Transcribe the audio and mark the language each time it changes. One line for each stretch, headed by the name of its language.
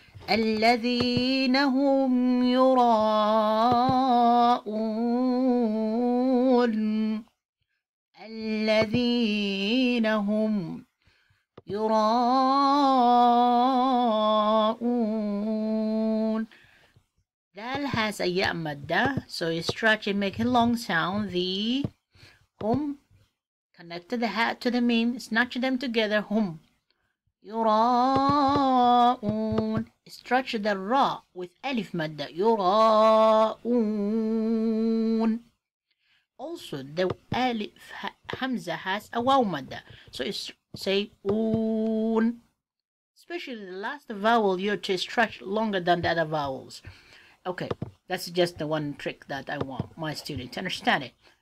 Arabic: الذين هم يراءون الذين هم يراءون
English: that has a ya madda so you stretch and make a long sound the hum connect the ha to the mim snatch them together hum
Arabic: يراءون
English: stretch the
Arabic: را
English: with
Arabic: ألف مادة يراءون
English: Also, the alif hamza has a waw madda, so it's say oon. Especially the last vowel, you have to stretch longer than the other vowels. Okay, that's just the one trick that I want my students to understand it.